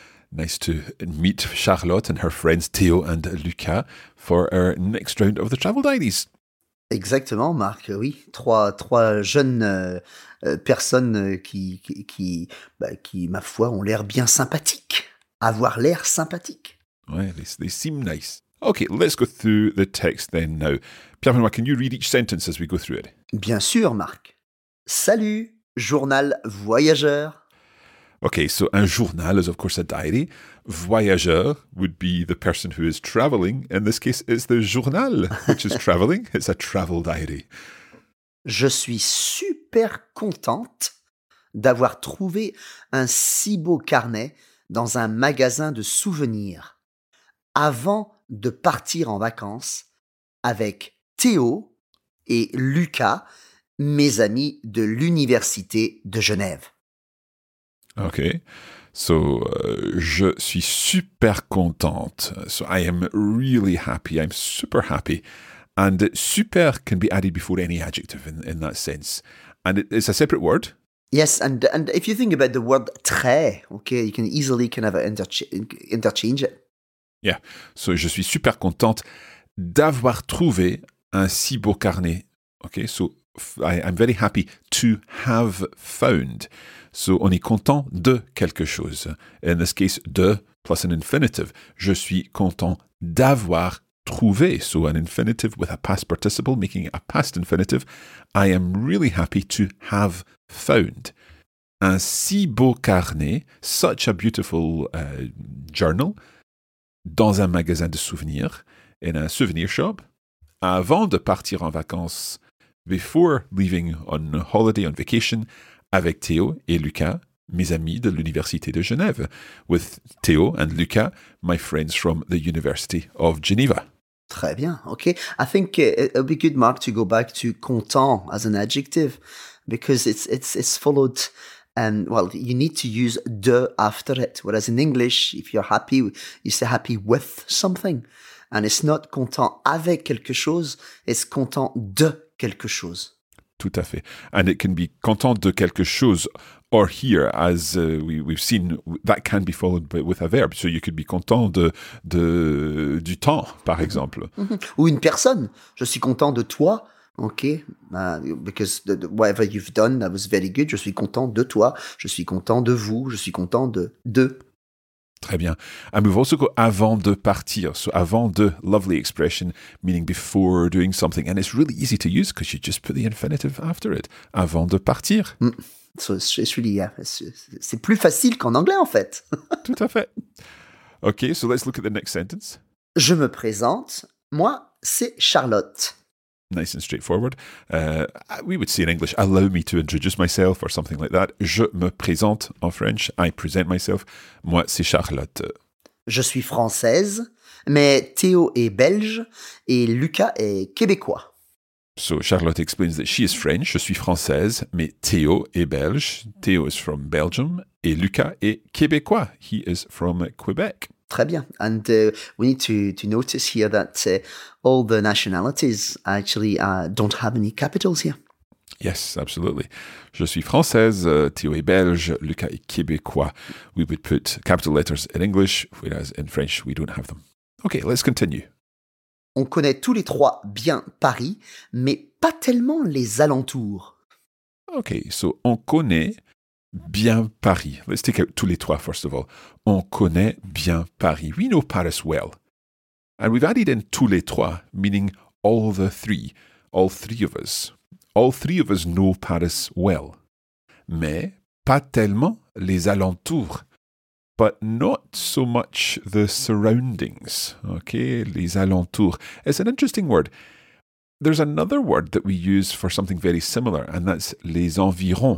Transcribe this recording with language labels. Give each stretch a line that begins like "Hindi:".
English: Nice to meet Charlotte and her friends Théo and Lucas for our next round of the Travel Diaries.
French: Exactement, Marc, oui. Trois jeunes personnes qui, ma foi, ont l'air bien sympathiques. Avoir l'air sympathique. Ouais,
English: they seem nice. Okay, let's go through the text then now. Pierre-Benoît, can you read each sentence as we go through it?
French: Bien sûr, Marc. Salut, journal voyageur.
English: Okay, so un journal is of course a diary. Voyageur would be the person who is traveling. In this case, it's the journal, which is traveling. It's a travel diary.
French: Je suis super contente d'avoir trouvé un si beau carnet dans un magasin de souvenirs avant de partir en vacances avec Théo et Lucas, mes amis de l'université de Genève.
English: Okay. So,
French: je suis super contente.
English: So, I am really happy. I'm super happy. And super can be added before any adjective in that sense. And it's a separate word. Yes, and if you think about the word très, okay, you can easily kind of interchange it. Yeah. So,
French: je suis super contente d'avoir trouvé un si beau carnet.
English: Okay, so I'm very happy to have found. So
French: on est content de quelque chose.
English: In this case, de plus an infinitive.
French: Je suis content d'avoir trouvé.
English: So an infinitive with a past participle, making it a past infinitive. I am really happy to have found.
French: Un si beau carnet,
English: such a beautiful journal,
French: dans un magasin de souvenirs,
English: in a souvenir shop,
French: avant de partir en vacances,
English: before leaving on holiday, on vacation,
French: avec Théo et Lucas, mes amis de l'Université de Genève.
English: With Théo and Lucas, my friends from the University of Geneva.
French: Très bien, okay.
English: I think it'll be good, Mark, to go back to content as an adjective, because it's followed, well, you need to use de after it. Whereas in English, if you're happy, you say happy with something. And it's not
French: content avec quelque chose,
English: it's
French: content de quelque chose. Tout à fait.
English: And it can be content de quelque chose, or here, as we've seen, that can be followed by, with a verb. So you could be
French: content de du temps, par exemple. Ou une personne. Je suis content de toi. Okay.
English: Because whatever you've done, that was very good.
French: Je suis content de toi. Je suis content de vous. Je suis content de. Très bien.
English: And we've also got
French: avant de partir.
English: So avant de, lovely expression, meaning before doing something. And it's really easy to use because you just put the infinitive after it.
French: Avant de partir. Mm.
English: So it's really, yeah,
French: c'est plus facile qu'en anglais, en fait. Tout à fait.
English: Okay, so let's look at the next sentence.
French: Je me présente. Moi, c'est Charlotte.
English: Nice and straightforward. We would say in English, allow me to introduce myself or something like that.
French: Je me présente en French.
English: I present myself.
French: Moi, c'est Charlotte. Je suis française, mais Théo est belge et Lucas est québécois.
English: So Charlotte explains that she is French.
French: Je suis française, mais Théo est belge.
English: Théo is from Belgium
French: et Lucas est québécois.
English: He is from Quebec.
French: Très bien.
English: And we need to notice here that all the nationalities actually don't have any capitals here. Yes, absolutely.
French: Je suis française, Théo est belge, Lucas est québécois.
English: We would put capital letters in English, whereas in French, we don't have them. Okay, let's continue.
French: On connaît tous les trois bien Paris, mais pas tellement les alentours.
English: Okay, so
French: on connaît bien Paris.
English: Let's take out tous les trois, first of all.
French: On connaît bien Paris.
English: We know Paris well. And we've added in tous les trois, meaning all the three. All three of us. All three of us know Paris well.
French: Mais pas tellement les alentours.
English: But not so much the surroundings. Okay, les alentours. It's an interesting word. There's another word that we use for something very similar, and that's les environs.